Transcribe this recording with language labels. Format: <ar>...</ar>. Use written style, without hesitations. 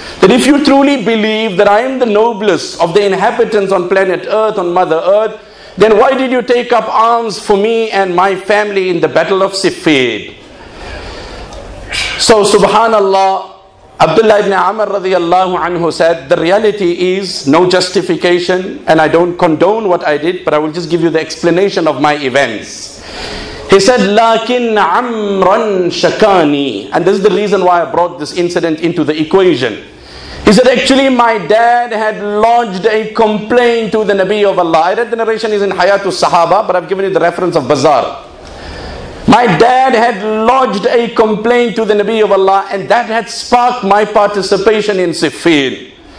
<en>That if you truly believe that I am the noblest of the inhabitants on planet earth, on mother earth, then why did you take up arms for me and my family in the battle of Siffin? So subhanallah, Abdullah ibn Amr radiallahu anhu said, the reality is no justification, and I don't condone what I did, but I will just give you the explanation of my events. He said,</en> <ar>لكن عمرًا شكاني.</ar> <en>And this is the reason why I brought this incident into the equation. He said, actually my dad had lodged a complaint to the Nabi of Allah. I read the narration is in Hayat al-Sahaba, but I've given you the reference of Bazaar. My dad had lodged a complaint to the Nabi of Allah, and that had sparked my participation in Siffin.</en>